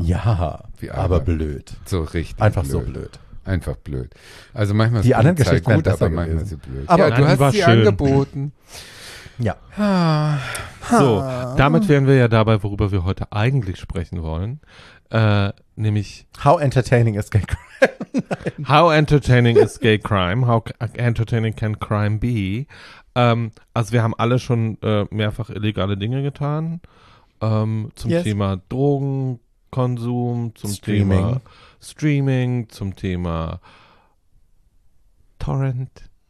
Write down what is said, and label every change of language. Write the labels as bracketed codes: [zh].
[de] Ja, aber blöd. So richtig einfach blöd. Einfach blöd. Also manchmal die anderen Geschichten gut, aber manchmal sind sie blöd. Aber ja, du hast sie schön angeboten. Ja. So, damit wären wir ja dabei, worüber wir heute eigentlich sprechen wollen. Nämlich [en] How entertaining is gay crime? How entertaining is gay crime? How entertaining can crime be? [de] Also wir haben alle schon mehrfach illegale Dinge getan. Zum Thema Drogenkonsum, zum Streaming, zum Thema Torrent.